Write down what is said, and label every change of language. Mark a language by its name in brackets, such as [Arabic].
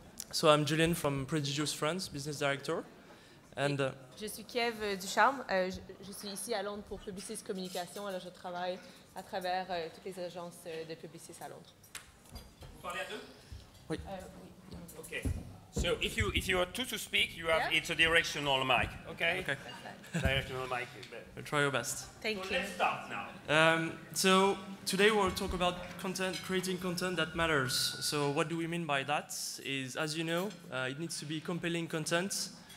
[English] So I'm Julien from Prodigious France, business director. And [French] je suis Kiev Ducharme. Je suis ici à Londres pour Publicis Communication. Alors je travaille à travers toutes les agences de Publicis à Londres. Vous parlez à deux? Oui. [English] Okay. So if you are two to speak, you have it's a directional mic. Okay. Okay. Directional mic. We'll try your best. Thank you. Let's start now. So today we'll talk about content, creating content that matters. So what do we mean by that? Is as you know, it needs to be compelling content.